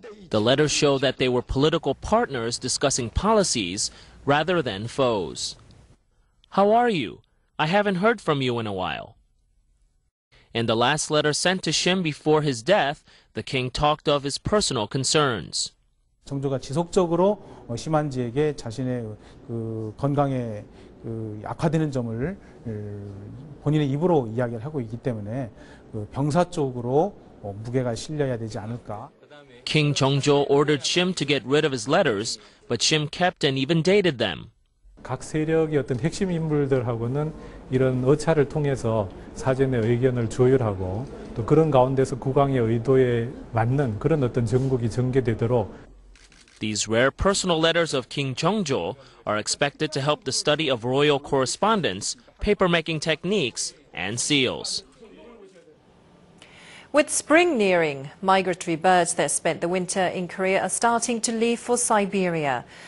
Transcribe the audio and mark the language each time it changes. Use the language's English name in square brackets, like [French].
[English] The letters show that they were political partners discussing policies rather than foes. How are you? I haven't heard from you in a while. In the last letter sent to Shim before his death, the king talked of his personal concerns. [Korean] 정조가 지속적으로 심한지에게 자신의 그 건강에 그 악화되는 점을 본인의 입으로 이야기를 하고 있기 때문에 그 병사 쪽으로 무게가 실려야 되지 않을까. [English] King Cheongjo ordered Shim to get rid of his letters, but Shim kept and even dated them. [Korean] 각 세력의 어떤 핵심 인물들하고는 이런 어차를 통해서 사전에 의견을 조율하고 또 그런 가운데서 국왕의 의도에 맞는 그런 어떤 정국이 전개되도록. [English] These rare personal letters of King Cheongjo are expected to help the study of royal correspondence, papermaking techniques, and seals. With spring nearing, migratory birds that spent the winter in Korea are starting to leave for Siberia.